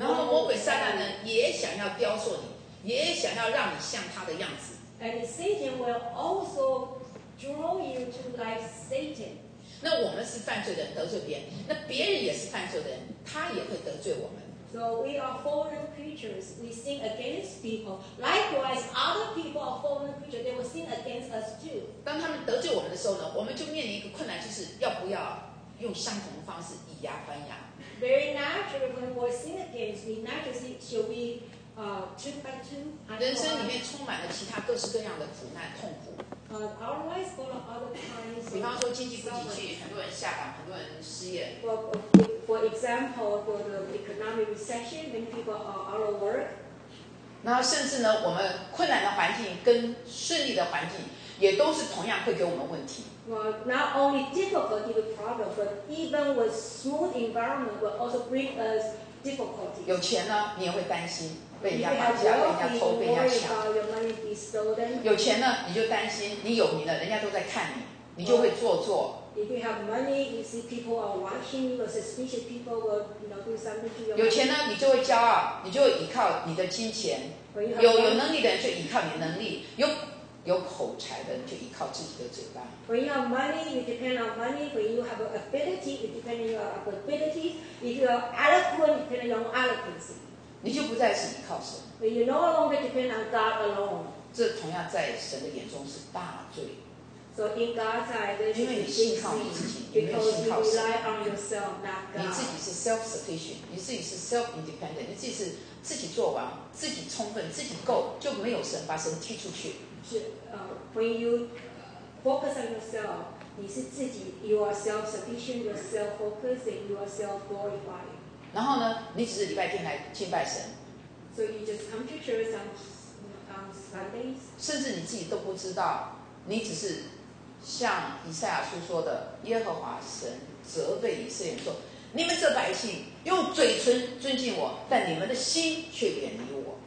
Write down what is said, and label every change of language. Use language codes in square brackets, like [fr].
[zh] 然后魔鬼撒旦呢，也想要雕塑你。也想要让你像他的样子。 [en] And Satan will also draw you to like Satan. [zh] 那我们是犯罪的人，得罪别人，那别人也是犯罪的人，他也会得罪我们。 [en] So we are fallen creatures. We sin against people. Likewise, other people are fallen creatures. They will sin against us too. [zh] 当他们得罪我们的时候呢，我们就面临一个困难，就是要不要用相同的方式以牙还牙。 [en] Very naturally, when we sin against, we naturally shall we. Two by two, [zh] 人生里面充满了其他各式各样的苦难痛苦。 [en] Our lives full of other kinds. [zh] 比方说经济不景气，很多人下岗，很多人失业。 [en] For example, for the economic recession, many people are out of work. [zh] 然然后甚至呢，我们困难的环境跟顺利的环境也都是同样会给我们问题。 [en] Well, not only difficulty with problems, but even with smooth environment will also bring us difficulties. [zh] 有钱呢，你也会担心被人家绑架、被人家偷、被人家抢。有钱呢，你就担心你有名了，人家都在看你，你就会做作。 [en] If you have money, you see people are watching, or suspicious people will, you know, do something to you. [zh] 有钱呢，你就会骄傲，你就会依靠你的金钱。有能力的人就依靠你的能力，有口才的人就依靠自己的嘴巴。 [en] When you have money, you depend on money. When you have ability, you depend on your ability. If you are eloquent, you depend on your eloquence. [zh] 你就不再是依靠神。 [en] When you no longer depend on God alone. [zh] 这同样在神的眼中是大罪。 [en] So in God's eyes, this is because you rely on yourself, not God. [zh] 你自己是 [en] self-sufficient, [zh] 你自己是 [en] self-independent, [zh] 你自己是自己做完，自己充分，自己够，就没有神把神踢出去。 [en] When you focus on yourself, [zh] 你是自己 [en] you are self-sufficient, you are self-focused, and you are self-glorified. [zh] 然后呢，你只是礼拜天来敬拜神。 [en] So you just come to church on Sundays. [zh] 甚至你自己都不知道，你只是。像以赛亚书说的，耶和华神责备以色列说：“你们这百姓用嘴唇尊敬我，但你们的心却远离我。”